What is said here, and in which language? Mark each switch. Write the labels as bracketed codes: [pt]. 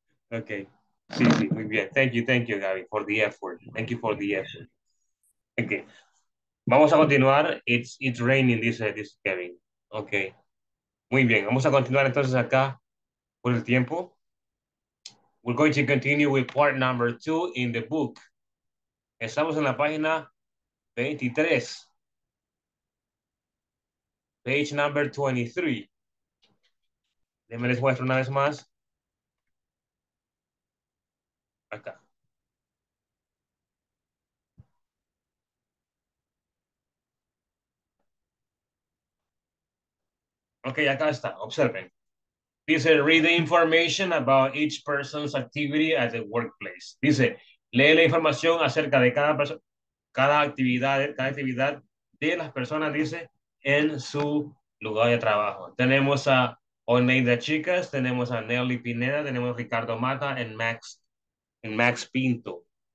[en] Ok, [es] sí, sí, muy bien. [en] Thank you, Gaby, for the effort. Thank you for the effort. Ok, [es] vamos a continuar. [en] It's raining, this Kevin. [es] Ok, muy bien. Vamos a continuar entonces acá por el tiempo. [en] We're going to continue with part number 2 in the book. [es] Estamos en la página 23. [en] Page number 23. [es] Déjenme les muestro una vez más. Acá. Okay, acá está. Observen. [en] Dice, read the information about each person's activity at the workplace. [es] Dice, lee la información acerca de cada persona, cada actividad de las personas, dice, en su lugar de trabajo. Tenemos a Oneida Chicas, tenemos a Nelly Pineda, tenemos a Ricardo Mata y Max Pinto.